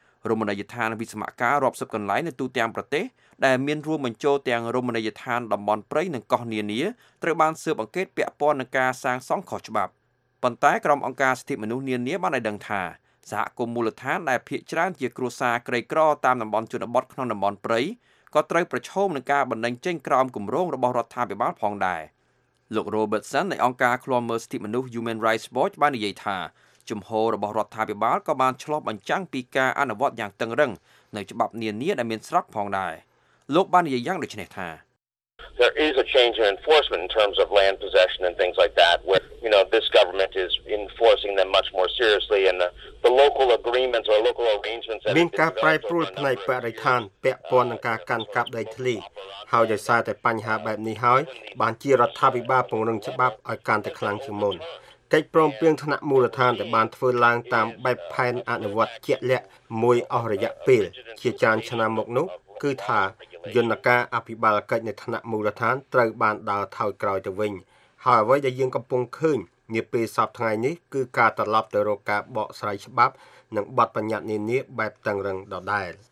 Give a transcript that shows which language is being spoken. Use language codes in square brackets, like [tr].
[km] រមណីយដ្ឋានវិស្មការរាប់សិបកន្លែងនៅទូទាំងប្រទេសដែលមានរួមបញ្ចូលទាំងរមណីយដ្ឋានតំបន់ព្រៃនិងកោះនានាត្រូវបានស៊ើបអង្កេតពាក់ព័ន្ធនឹងការសាងសង់ខុសច្បាប់ប៉ុន្តែក្រុមអង្គការសិទ្ធិមនុស្សនានាបានឲ្យដឹងថាសហគមន៍មូលដ្ឋានដែលភាគច្រើនជាគ្រួសារក្រីក្រតាមតំបន់ជនបទក្នុងតំបន់ព្រៃក៏ត្រូវប្រឈមនឹងការបណ្ដឹងចេញក្រោមគម្រោងរបស់រដ្ឋាភិបាលផងដែ រលោក Robertson នៃអង្គការឃ្លាំមើលសិទ្ធិមនុស្ស Human Rights Watch បាននិយាយថាជំហររបស់រដ្ឋាភិបាលក៏បានឆ្លុះបញ្ចាំងពីការអនុវត្តយ៉ាងតឹងរ៉ឹងនៅច្បាប់នានាដែលមានស្រាប់ផងដែរលោកបាននិយាយយ៉ាងដូចនេះថា [en] There is a change in enforcement in terms of land possession and things like that, where, you know, this government is enforcing them much more seriously, and the local agreements or local arrangements that been [km] ការប្រែប្រួលផ្នែកបរិស្ថានពាក់ព័ន្ធនឹងការកាន់កាប់ដីធ្លីហើយដោយសារតែបញ្ហាបែបនេះហើយបានជារដ្ឋាភិបាលពង្រឹងច្បាប់ឲ្យកាន់តែខ្លាំងជាងមុន កិច្ចព្រមព្រៀងថ្នាក់មូលដ្ឋានដែលបានធ្វើឡើងតាមបែបផែនអនុវត្តជាក់លាក់មួយអស់រយៈពេលជាច្រើនឆ្នាំមកនោះគឺថាយន្តការអភិបាលកិច្ចនៅថ្នាក់មូលដ្ឋានត្រូវបានដើរថយក្រោយទៅវិញហើយអ្វីដែលយើងកំពុងឃើញនាពេលសប្តាហ៍ថ្ងៃនេះគឺការត្រឡប់ទៅរកការបកស្រាយច្បាប់និងបទបញ្ញត្តិនានាបែបតឹងរឹងដដែល